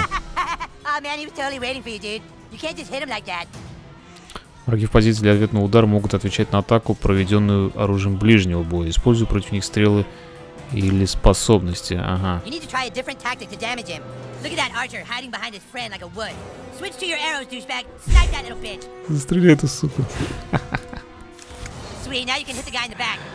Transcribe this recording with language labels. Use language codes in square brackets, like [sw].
[en] Oh man, he was totally waiting for you, dude. You can't just hit him like that. [ru] Враги в позиции для ответного удара могут отвечать на атаку, проведенную оружием ближнего боя. Используя против них стрелы или способности. Ага. [en] You need to try a different tactic to damage him. Look at that archer hiding behind his friend like a wood. Switch to your arrows, douchebag. Snipe that little bitch. [ru] Застрели эту суку. [en] Sweet, now you can hit the guy in the back.